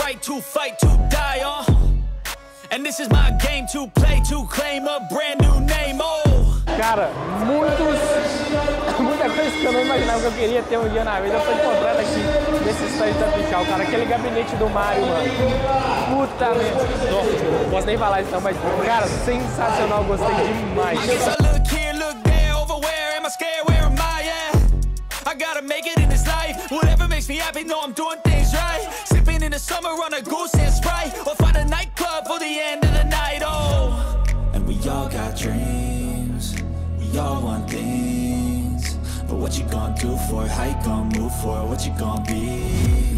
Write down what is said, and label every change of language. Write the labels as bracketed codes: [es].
[en] To fight, to die, oh. And this is my game to play, to claim a brand new name, oh. [pt] Cara, muita coisa que eu não imaginava que eu queria ter um dia na vida foi encontrar aqui nesse site da Pichau, cara. Aquele gabinete do Mario, mano. Puta merda. Não posso nem falar isso, mas, cara, sensacional, gostei demais. [en] I guess I look here, look there, over where am I scared, where am I, yeah? I gotta make it in this life, whatever makes me happy, know I'm doing things right. In the summer on a goose and Sprite, or find a nightclub for the end of the night, oh. And we all got dreams, we all want things. But what you gonna do for it? How you gonna move for it? What you gonna be?